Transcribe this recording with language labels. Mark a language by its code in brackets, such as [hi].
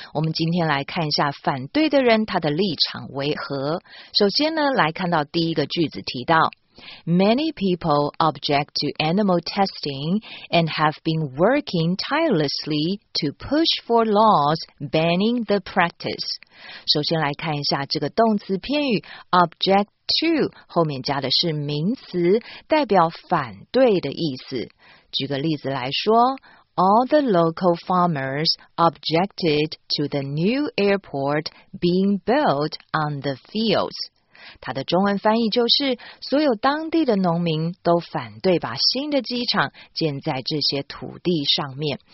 [zh] 我们今天来看一下反对的人他的立场为何。首先呢，来看到第一个句子提到 [en] Many people object to animal testing and have been working tirelessly to push for laws banning the practice. [zh] 首先来看一下这个动词片语 objectto 后面加的是名词，代表反对的意思。举个例子来说 [en] ，All the local farmers objected to the new airport being built on the fields。 [zh] 它的中文翻译就是：所有当地的农民都反对把新的机场建在这些土地上面。